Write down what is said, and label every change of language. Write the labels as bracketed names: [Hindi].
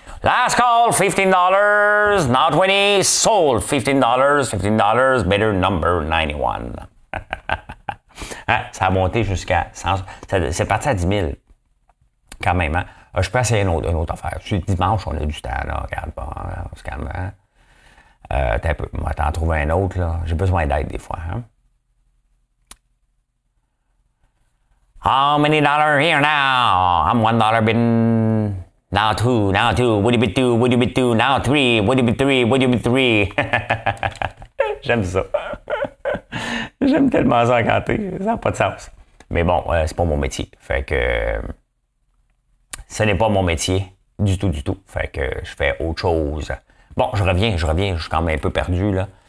[English] Last call, $15, now $20, sold, $15, $15, bidder number 91. [French] Hein? Ça a monté jusqu'à 100, c'est parti à 10 000, quand même. Hein? Je peux essayer une autre affaire. C'est dimanche, on a du temps, là. Regarde pas, hein? On se calme. Hein? T'as un peu, moi, t'en trouves un autre, là. J'ai besoin d'aide des fois. Hein? [English] How many dollars here now? I'm $1 bin. Now two, now two, would it be two, would it be two, now three, would it be three, would it be three? [French] J'aime ça. J'aime tellement ça quand t'es, ça n'a pas de sens. Mais bon, c'est pas mon métier. Fait que ce n'est pas mon métier du tout, du tout. Fait que je fais autre chose. Bon, je reviens, je suis quand même un peu perdu là.